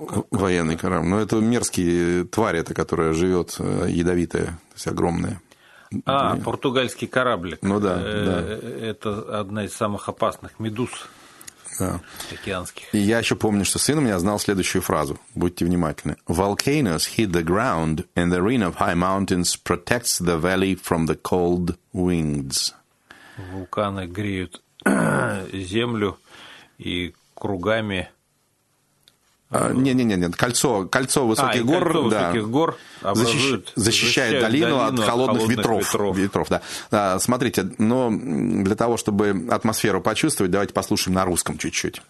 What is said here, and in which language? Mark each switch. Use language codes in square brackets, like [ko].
[ru] военный корабль. Ну, это мерзкие твари, это, которая живет ядовитая, то есть огромная. А, и... португальский кораблик. Ну да, да. Это одна из самых опасных медуз. Да. Океанских. И я еще помню, что сын у меня знал следующую фразу. Будьте внимательны. [en] Volcanoes hit the ground, and the ring of high mountains protects the valley from the cold winds. [ru] Вулканы греют землю и кругами. Нет. Кольцо высоких гор, кольцо, да, высоких гор защищает долину от холодных ветров. Да. А, смотрите, но для того, чтобы атмосферу почувствовать, давайте послушаем на русском чуть-чуть.